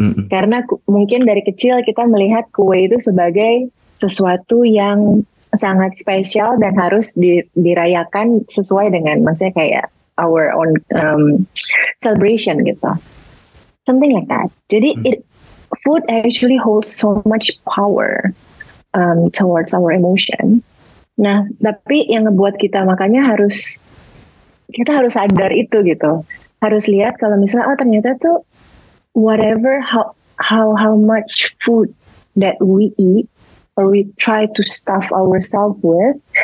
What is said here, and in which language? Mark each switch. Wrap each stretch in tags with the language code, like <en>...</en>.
<id>Karena mungkin dari kecil kita melihat kue itu sebagai sesuatu yang sangat spesial dan harus dirayakan sesuai dengan, maksudnya kayak</id> <en>our own celebration</en> <id>gitu.</id> <en>Something like that. Jadi food actually holds so much power towards our emotion.</en> <id>Nah, tapi yang ngebuat kita makanya harus, kita harus sadar itu gitu. Harus lihat kalau misalnya, oh ternyata tuh</id> <en>whatever, how much food that we eat, or we try to stuff ourselves with,</en>